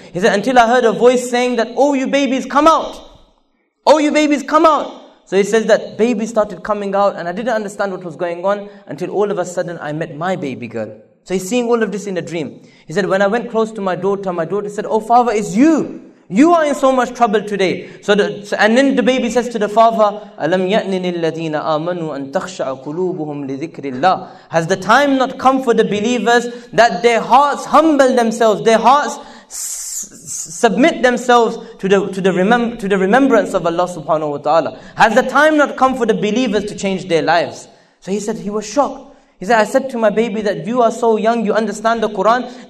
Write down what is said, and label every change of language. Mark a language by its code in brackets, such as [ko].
[en] He said, until I heard a voice saying that, oh, you babies, come out. Oh, you babies, come out. So he says that babies started coming out and I didn't understand what was going on until all of a sudden I met my baby girl. So he's seeing all of this in a dream. He said, when I went close to my daughter said, oh, father, it's you. You are in so much trouble today. [ar] And then the baby says to the father, أَلَمْ يَأْنِنِ الَّذِينَ آمَنُوا أَن تَخْشَعَ قُلُوبُهُمْ لِذِكْرِ اللَّهِ. [en] Has the time not come for the believers that their hearts humble themselves, their hearts submit themselves to the remembrance of Allah subhanahu wa ta'ala? Has the time not come for the believers to change their lives? So he said, he was shocked. He said, I said to my baby that you are so young, you understand the Quran.